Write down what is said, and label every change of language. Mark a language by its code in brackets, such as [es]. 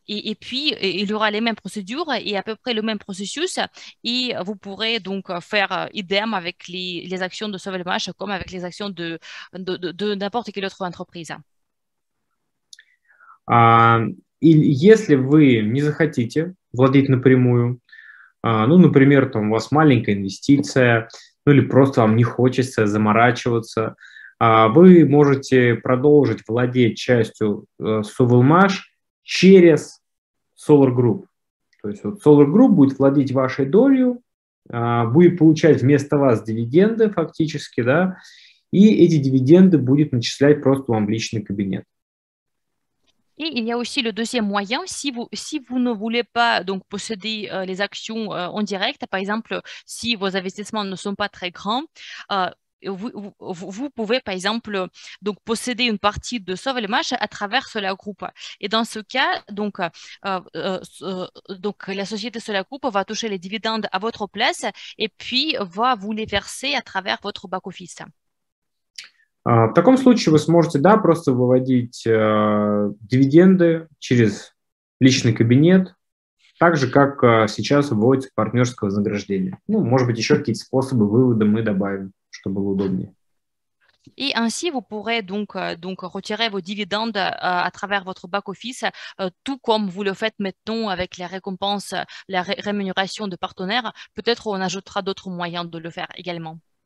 [fr] Et puis, il y aura les mêmes procédures et à peu près le même processus. Et vous pourrez donc faire idem avec les actions de Sauvelmash comme avec les actions de n'importe quelle autre entreprise. [ru] И если вы не захотите владеть напрямую, ну, например, там у вас маленькая инвестиция, ну, или просто вам не хочется заморачиваться, вы можете продолжить владеть частью Совелмаш через Solar Group. То есть вот Solar Group будет владеть вашей долей, будет получать вместо вас дивиденды фактически, да, и эти дивиденды будет начислять просто вам в личный кабинет. [fr] Et il y a aussi le deuxième moyen, si vous ne voulez pas donc posséder les actions en direct, par exemple, si vos investissements ne sont pas très grands, vous pouvez par exemple donc posséder une partie de Sauvelmash à travers Solar Group. Et dans ce cas, donc la société Solar Group va toucher les dividendes à votre place et puis va vous les verser à travers votre back office. [ru] В таком случае вы сможете, да, просто выводить дивиденды через личный кабинет, так же, как сейчас вводится партнерское вознаграждение. Ну, может быть, еще какие-то способы вывода мы добавим, чтобы было удобнее. [fr] И ainsi vous pourrez donc retirer vos dividendes à travers votre back office, tout comme vous le faites maintenant avec les récompenses, la rémunération de partenaires. Peut-être on ajoutera d'autres moyens de le faire également.